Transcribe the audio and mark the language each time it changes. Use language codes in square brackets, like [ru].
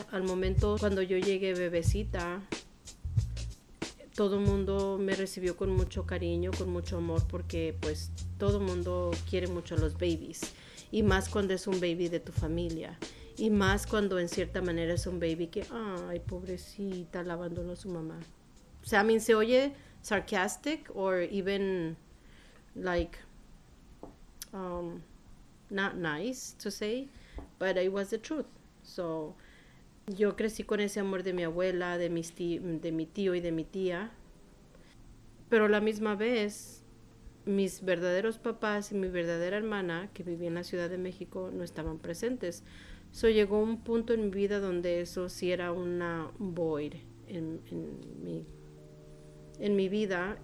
[es] Al momento cuando yo llegué bebecita, todo mundo me recibió con mucho cariño, con mucho amor, porque pues todo mundo quiere mucho a los babies, y más cuando es un baby de tu familia. Y más cuando en cierta manera es un baby que, ay, pobrecita, la abandonó su mamá. O sea, a mí se oye [en] sarcastic or even like not nice to say, but it was the truth. [es] So yo crecí con ese amor de mi abuela, de mi tío y de mi tía. Pero a la misma vez, mis verdaderos papás y mi verdadera hermana, que vivía en la Ciudad de México, no estaban presentes. So llegó un punto en mi vida donde eso sí era una void en mi vida.